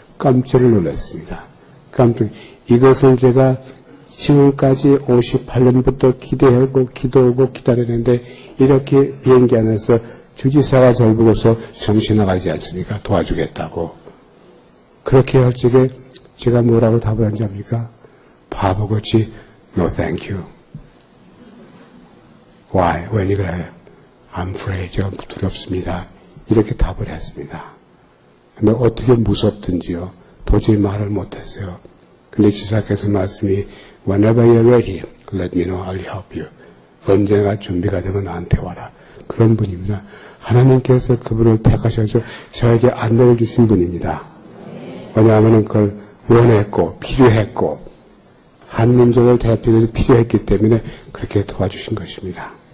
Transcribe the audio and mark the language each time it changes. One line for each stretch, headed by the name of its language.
Korean: 깜짝 놀랐습니다. 깜짝 이것을 제가 지금까지 58년부터 기대하고 기도하고 기다렸는데 이렇게 비행기 안에서 주지사가 저를 보고서 정신나가지 않습니까? 도와주겠다고. 그렇게 할 적에 제가 뭐라고 답을 한지 압니까? 바보같이
English: No thank you. Why?
Korean: 왜 이래요?
English: I'm afraid.
Korean: 제가 두렵습니다. 이렇게 답을 했습니다. 근데 어떻게 무섭든지요. 도저히 말을 못했어요. 근데 지사께서 말씀이
English: Whenever you're ready, let me know. I'll help you.
Korean: 언제나 준비가 되면 나한테 와라. 그런 분입니다. 하나님께서 그분을 택하셔서 저에게 안내를 주신 분입니다. 왜냐하면 그걸 원했고 필요했고 한민족을 대표해서 필요했기 때문에 그렇게 도와주신 것입니다.